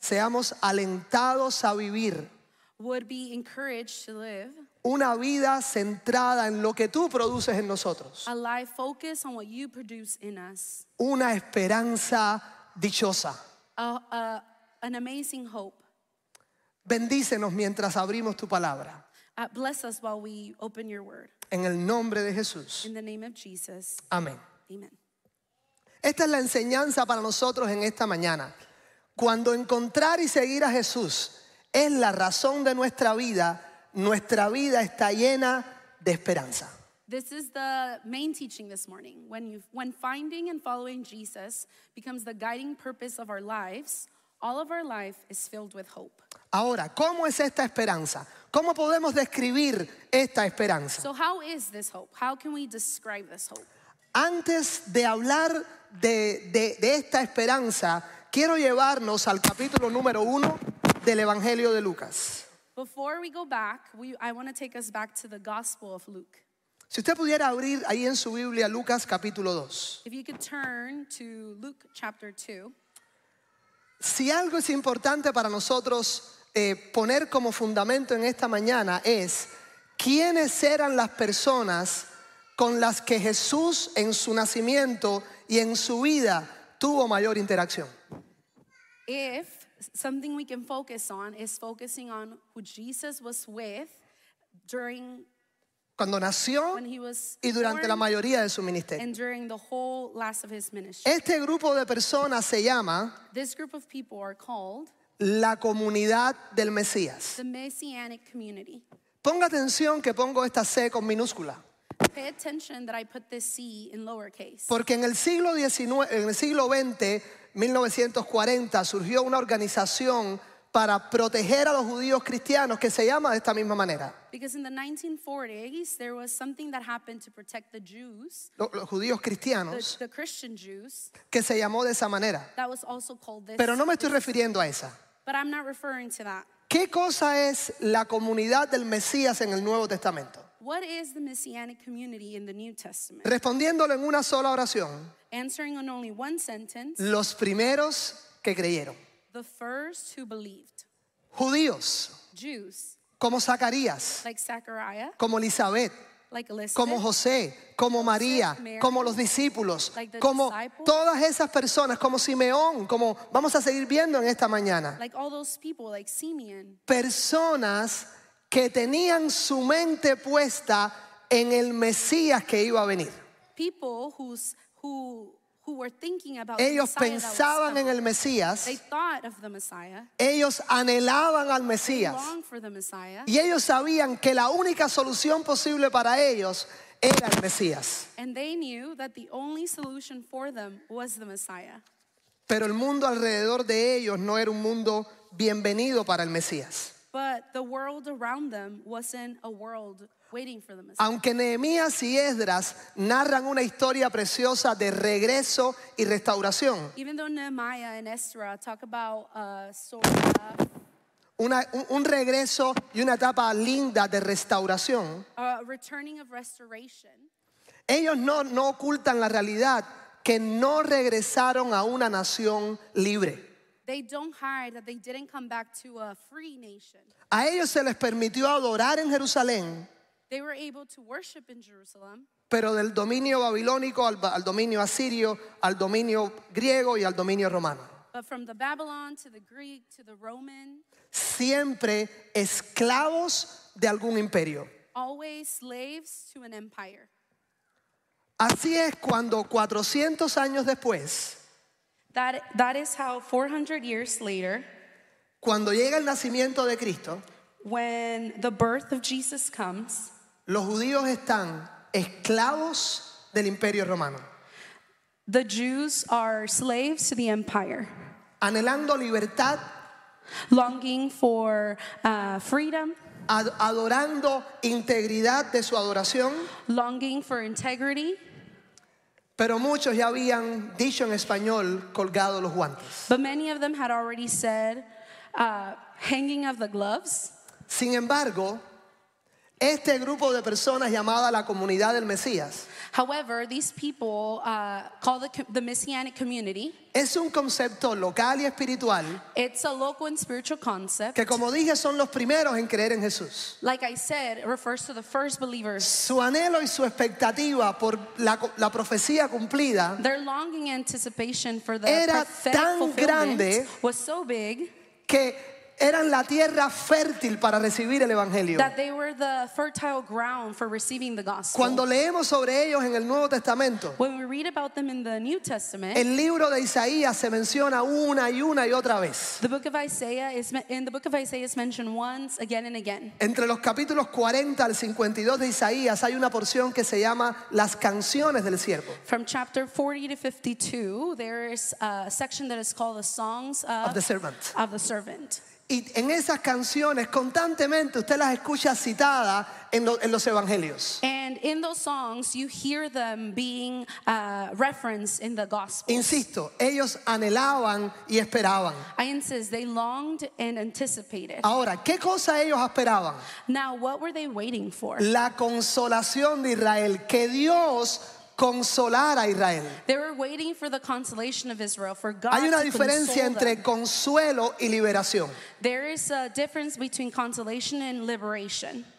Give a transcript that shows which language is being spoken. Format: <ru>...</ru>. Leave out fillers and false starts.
<es>seamos alentados a vivir,</es> <en>would be encouraged to live,</en> <es>una vida centrada en lo que tú produces en nosotros.</es> <en>A life focused on what you produce in us.</en> <es>Una esperanza dichosa.</es> <en>An amazing hope.</en> <es>Bendícenos mientras abrimos tu palabra.</es> <en>Bless us while we open your word.</en> <es>En el nombre de Jesús.</es> <en>In the name of Jesus.</en> <es>Amén.</es> <en>Amen.</en> <es>Esta es la enseñanza para nosotros en esta mañana. Cuando encontrar y seguir a Jesús es la razón de nuestra vida está llena de esperanza.</es> <en>This is the main teaching this morning. When finding and following Jesus becomes the guiding purpose of our lives, all of our life is filled with hope.</en> <es>Ahora, ¿cómo es esta esperanza? ¿Cómo podemos describir esta esperanza?</es> <en>So how is this hope? How can we describe this hope?</en> <es>Antes de hablar de esta esperanza, quiero llevarnos al capítulo número 1 del Evangelio de Lucas.</es> <en>Before we go back, I want to take us back to the Gospel of Luke.</en> <es>Si usted pudiera abrir ahí en su Biblia Lucas capítulo 2.</es> <en>If you could turn to Luke chapter 2.</en> <es>Si algo es importante para nosotros poner como fundamento en esta mañana es quiénes eran las personas con las que Jesús en su nacimiento y en su vida tuvo mayor interacción.</es> <en>If something we can focus on is focusing on who Jesus was with during</en> <es>cuando nació y durante la mayoría de su ministerio.</es> <en>And during the whole last of his ministry.</en> <es>Este grupo de personas se llama</es> <en>this group of people are called</en> <es>la comunidad del Mesías.</es> <en>The Messianic community.</en> <es>Ponga atención que pongo esta C con minúscula.</es> <en>Pay attention that I put this C in lowercase.</en> <es>Porque en el siglo XIX, en el siglo XX, 1940, surgió una organización para proteger a los judíos cristianos que se llama de esta misma manera.</es> <en>Because in the 1940s, there was something that happened to protect the Jews.</en> <es>Los judíos cristianos.</es> <en>The Christian Jews.</en> <es>Que se llamó de esa manera.</es> <en>That was also called this.</en> <es>Pero no me estoy refiriendo a esa.</es> <en>But I'm not referring to that.</en> <es>¿Qué cosa es la comunidad del Mesías en el Nuevo Testamento?</es> <en>What is the Messianic community in the New Testament?</en> <es>Respondiéndolo en una sola oración.</es> <en>Answering in only one sentence.</en> <es>Los primeros que creyeron.</es> <en>The first who believed.</en> <es>Judíos.</es> <en>Jews.</en> <es>Como Zacarías.</es> <en>Like Zachariah.</en> <es>Como Elizabeth.</es> <en>Like Elizabeth.</en> <es>Como José. Como María. Como los discípulos.</es> <en>Like the</en> <es>como</es> <en>disciples.</en> <es>Todas esas personas. Como Simeón. Como vamos a seguir viendo en esta mañana.</es> <en>Like all those people, like Simeon.</en> <es>Personas que tenían su mente puesta en el Mesías que iba a venir.</es> <en>People who were thinking about</en> <es>ellos</es> <en>the</en> <es>pensaban</es> <en>that was</en> <es>en el Mesías.</es> <en>They thought of the Messiah.</en> <es>Ellos anhelaban al Mesías.</es> <en>They longed for the Messiah.</en> <es>Y ellos sabían que la única solución posible para ellos era el Mesías.</es> <en>And they knew that the only solution for them was the Messiah.</en> <es>Pero el mundo alrededor de ellos no era un mundo bienvenido para el Mesías.</es> <en>But the world around them wasn't a world waiting for the Messiah.</en> <es>Aunque Nehemías y Esdras narran una historia preciosa de regreso y restauración.</es> <en>Even though Nehemiah and Ezra talk about a story of</en> <es>un regreso y una etapa linda de restauración.</es> <en>A returning of restoration.</en> <es>Ellos no ocultan la realidad que no regresaron a una nación libre.</es> <en>They don't hide that they didn't come back to a free nation.</en> <es>A ellos se les permitió adorar en Jerusalén.</es> <en>They were able to worship in Jerusalem.</en> <es>Pero del dominio babilónico al dominio asirio, al dominio griego y al dominio romano.</es> <en>But from the Babylon to the Greek to the Roman.</en> <es>Siempre esclavos de algún imperio.</es> <en>Always slaves to an empire.</en> <es>Así es cuando 400 años después.</es> <en>That is how 400 years later.</en> <es>Cuando llega el nacimiento de Cristo.</es> <en>When the birth of Jesus comes.</en> <es>Los judíos están esclavos del imperio romano.</es> <en>The Jews are slaves to the empire.</en> <es>Anhelando libertad.</es> <en>Longing for freedom.</en> <es>Adorando integridad de su adoración.</es> <en>Longing for integrity.</en> <es>Pero muchos ya habían dicho en español colgado los guantes.</es> <en>But many of them had already said hanging of the gloves.</en> <es>Sin embargo, este grupo de personas llamada la comunidad del Mesías.</es> <en>However, these people call the Messianic community.</en> <es>Es un concepto local y espiritual.</es> <en>It's a local and spiritual concept.</en> <es>Que como dije son los primeros en creer en Jesús.</es> <en>Like I said, it refers to the first believers.</en> <es>Su anhelo y su expectativa por la profecía cumplida.</es> <en>Their longing anticipation for the prophetic fulfillment was so big.</en> <es>Que eran la tierra fértil para recibir el evangelio.</es> <en>That they were the fertile ground for receiving the gospel.</en> <es>Cuando leemos sobre ellos en el Nuevo Testamento,</es> <en>when we read about them in the New Testament,</en> <es>el libro de Isaías se menciona una y una y otra vez.</es> <en>The book of Isaiah is in the book of Isaiah is mentioned once again and again.</en> <es>Entre los capítulos 40 al 52 de Isaías hay una porción que se llama las canciones del siervo.</es> <en>From chapter 40 to 52, there is a section that is called the songs of the servant. Of the servant.</en> <es>Y en esas canciones constantemente usted las escucha citada en los evangelios.</es> <en>And in those songs you hear them being referenced in the gospels.</en> <es>Insisto, ellos anhelaban y esperaban.</es> <en>I insist, they longed and anticipated.</en> <es>Ahora, ¿qué cosa ellos esperaban?</es> <en>Now, what were they waiting for?</en> <es>La consolación de Israel, que Dios consolar a Israel.</es> <en>They were waiting for the consolation of Israel, for God.</en> <es>Hay una</es> <en>to</en> <es>diferencia</es> <en>console</en> <es>entre</es> <en>them.</en> <es>Consuelo y liberación.</es> <en>There is a difference between consolation and liberation.</en>